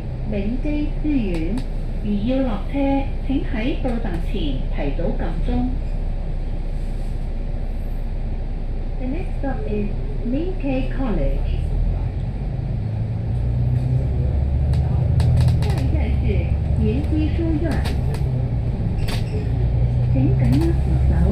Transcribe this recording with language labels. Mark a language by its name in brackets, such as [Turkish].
[Chinese] 永基之苑，如要落车，请在到站前提早按钟。 [English] The next stop is Minke College. [Chinese] 下一站是延基书院，请紧握扶手。